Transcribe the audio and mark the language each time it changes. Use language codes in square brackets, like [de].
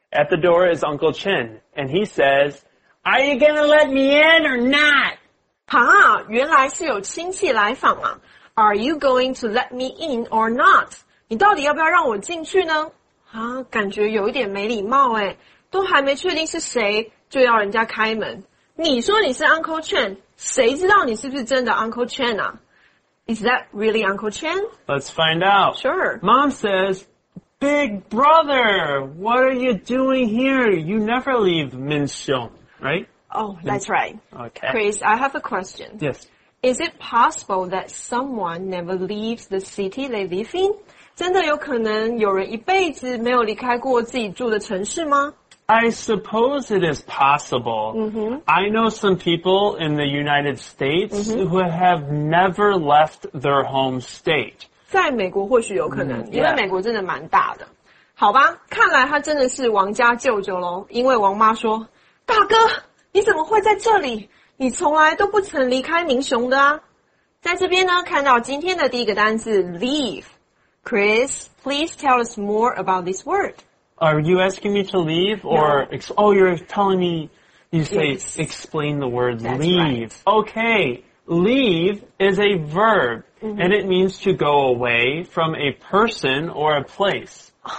[en] At the door is Uncle Chin, and he says, Are you gonna let me in or not? [zh] 啊，原来是有亲戚来访啊。 [en] Are you going to let me in or not? [zh] 你到底要不要让我进去呢？啊，感觉有一点没礼貌诶，都还没确定是谁，就要人家开门。你说你是 Uncle Chen, 谁知道你是不是真的 Uncle Chen 啊？ [en] Is that really Uncle Chen? Let's find out. Sure. Mom says, Big brother, what are you doing here? You never leave Minxiong, right? Oh, that's right. Okay. Chris, I have a question. Yes. Is it possible that someone never leaves the city they live in? [zh] 真的有可能有人一辈子没有离开过自己住的城市吗？ [en] I suppose it is possible. Mm-hmm. I know some people in the United States mm-hmm. who have never left their home state. [zh] 在美国或许有可能、因为美国真的蛮大的。好吧，看来他真的是王家舅舅咯，因为王妈说，大哥，你怎么会在这里？你从来都不曾离开民雄的啊。在这边呢，看到今天的第一个单字 leave. [en] Chris, please tell us more about this word. Are you asking me to leave or, no. Oh, you're telling me, you say, yes. explain the word That's leave. Right. Okay, leave is a verb, mm-hmm. and it means to go away from a person or a place.